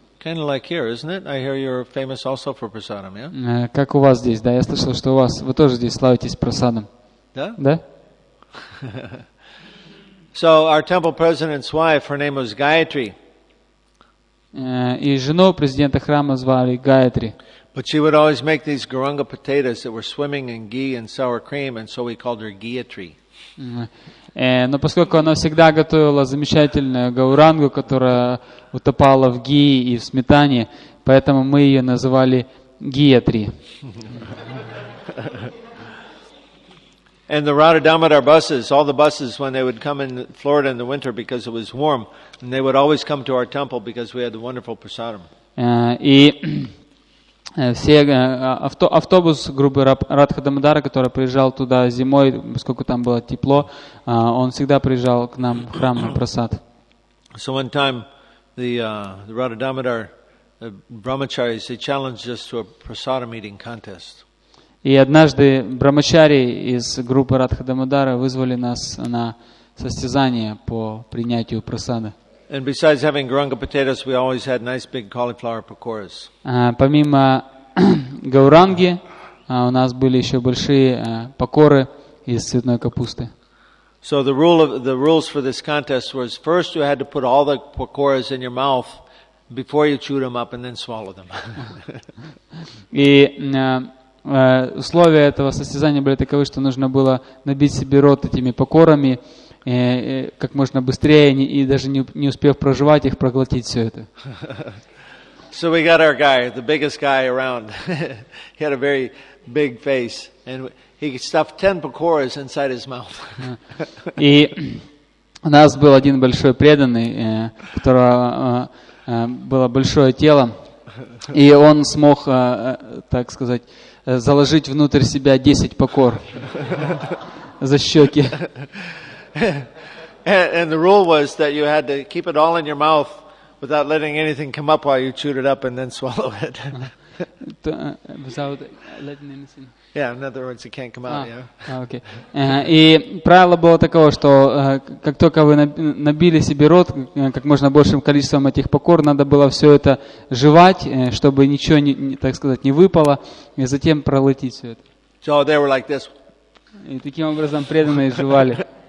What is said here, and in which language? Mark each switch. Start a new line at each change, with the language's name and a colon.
English: Kind of like here, isn't it? I hear you're famous also for prasadam, yeah?
Russian: Как у вас здесь, да? Я слышал, что у вас, вы тоже здесь славитесь прасадом. Да? Да?
English: So our temple president's wife, her name was Gayatri.
Russian: И жену президента храма звали Гаятри.
English: But she would always make these garunga potatoes that were swimming in ghee and sour cream, and so we called her Gayatri.
Russian: Но поскольку она всегда готовила замечательную гаурангу, которая утопала в ghee и в сметане, поэтому мы ее называли Гаятри.
English: And the Radha Damodar buses, all the buses when they would come in Florida in the winter because it was warm, and they would always come to our temple because we had the wonderful prasadam.
Russian: И Все автобус группы Радха Дамодара, который приезжал туда зимой, поскольку там было тепло, он всегда приезжал к нам в храм на просад.
English: So one time the Radha Damodar, the Brahmacharis, they challenged us to a prasadam eating contest.
Russian: И однажды брамачари из группы Радха Дамодара вызвали нас на состязание по принятию прасада.
English: And besides having Gauranga potatoes, we always had nice big cauliflower pakoras.
Russian: Помимо гауранги, у нас были еще большие пакоры из цветной капусты.
English: So the rules for this contest was first you had to put all the pakoras in your mouth before you chewed them up and then swallow them.
Russian: И условия этого состязания были таковы, что нужно было набить себе рот этими пакорами как можно быстрее, и даже не успев проживать их, проглотить все это.
English: So we got our guy, the biggest guy around. He had a very big face. And he stuffed 10 pakoras inside his mouth.
Russian: И у нас был один большой преданный, у которого было большое тело. И он смог, так сказать, заложить внутрь себя 10 пакор за щеки.
English: And the rule was that you had to keep it all in your mouth without letting anything come up while you chewed it up and then swallow it. Without letting anything. Yeah, in other words, it can't come out. Yeah. Okay.
Russian: И правило было такое, что как только вы набили себе рот как можно большим количеством этих покор, надо было все это жевать, чтобы ничего не, так сказать, не выпало, и затем проглотить все это.
English: So they were like this.
Russian: И таким образом преданные жевали.